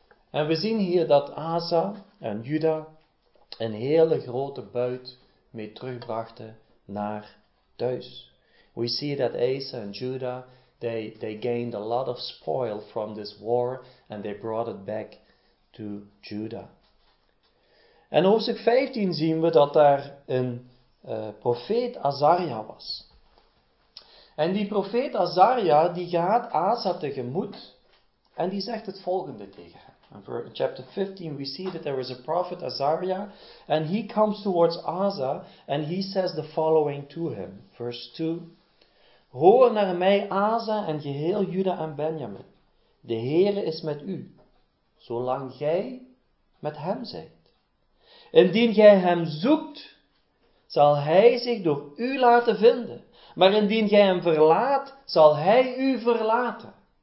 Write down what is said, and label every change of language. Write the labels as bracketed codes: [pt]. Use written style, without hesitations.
[nl] En we zien hier dat Asa en Juda een hele grote buit mee terugbrachten naar thuis. [en] We see that Asa and Judah, they gained a lot of spoil from this war and they brought it back to Judah. [nl] En hoofdstuk 15 zien we dat daar een profeet Azaria was. En die profeet Azaria, die gaat Asa tegemoet en die zegt het volgende tegen hem. [en] In chapter 15 we see that there is a prophet Azaria and he comes towards Asa and he says the following to him. Verse 2. [nl] Hoor naar mij, Asa en geheel Juda en Benjamin. De Heere is met u, zolang gij met hem zijt. Indien gij hem zoekt, zal hij zich door u laten vinden. Maar indien gij hem verlaat, zal hij u verlaten.